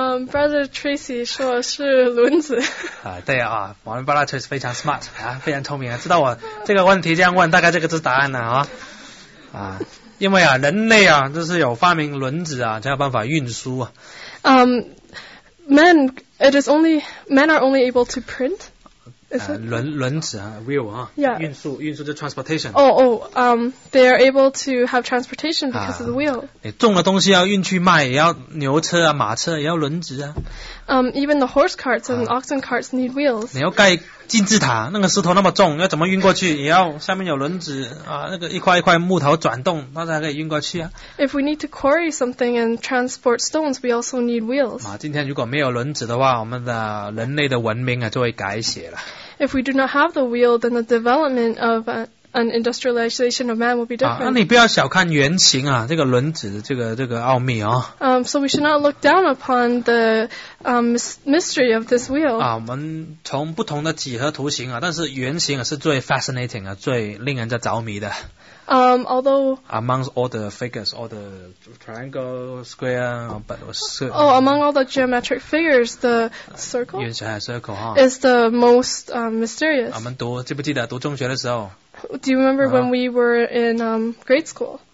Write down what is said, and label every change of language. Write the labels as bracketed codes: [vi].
[zh] Brother Tracy 说是轮子。对啊，我们 Brother Tracy 非常 smart 啊，非常聪明啊，知道我这个问题这样问，大概这个是答案了啊。因为啊，人类啊，就是有发明轮子啊，才有办法运输啊。 [en] Men are only able to print. [zh] 轮子啊 ，wheel 啊。 [en] Yeah. [zh] 运输就 transportation. [en] They are able to have transportation because of the wheel. [zh] 你种的东西要运去卖，也要牛车啊、马车，也要轮子啊。 [en] Even the horse carts and oxen carts need wheels. [zh] 你要盖金字塔，那个石头那么重，要怎么运过去？也要下面有轮子啊，那个一块一块木头转动，它才可以运过去啊。 [en] If we need to quarry something and transport stones, we also need wheels. [zh] 今天如果没有轮子的话，我们的人类的文明啊就会改写了。 [en] If we do not have the wheel, then the development of an industrialization of man will be different. [zh] 那你不要小看原型啊，这个轮子这个奥秘哦。 [en] So we should not look down upon the mystery of this wheel. [zh] 我们从不同的几何图形啊，但是原型是最 fascinating 啊，最令人家着迷的。 [en] Although among all the figures, all the triangle, square, but among all the geometric figures, the circle, [zh] 原型还是 circle 哈 [en] is the most mysterious. [zh] 我们读记不记得读中学的时候 [en] ？Do you remember when we were in grade school?